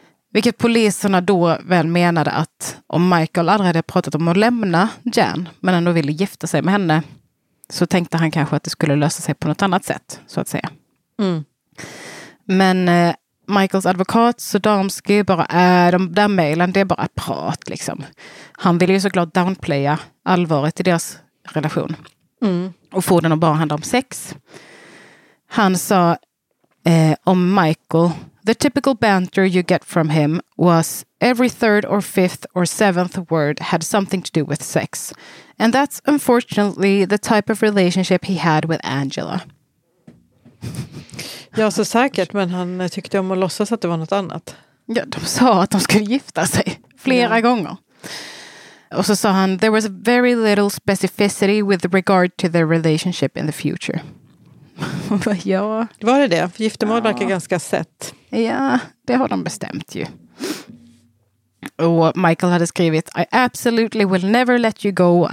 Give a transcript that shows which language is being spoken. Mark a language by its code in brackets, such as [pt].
[sv] Vilket poliserna då väl menade att om Michael aldrig hade pratat om att lämna Jan men ändå ville gifta sig med henne så tänkte han kanske att det skulle lösa sig på något annat sätt, så att säga. Mm. Men Michaels advokat Sodomski bara den mailen, det är bara prat liksom. Han ville ju såklart downplaya allvaret i deras relation. Mm. Och få den att bara handla om sex. Han sa om Michael, [en] the typical banter you get from him was every third or fifth or seventh word had something to do with sex. And that's unfortunately the type of relationship he had with Angela. [sv] Ja, så säkert, men han tyckte om att låtsas att det var något annat. Ja, de sa att de skulle gifta sig flera gånger. Och så sa han, [en] there was very little specificity with regard to their relationship in the future. [sv] Ja. Var det det? Giftermål verkar ganska sett. Ja, det har de bestämt ju. Och Michael hade skrivit, [en] I absolutely will never let you go.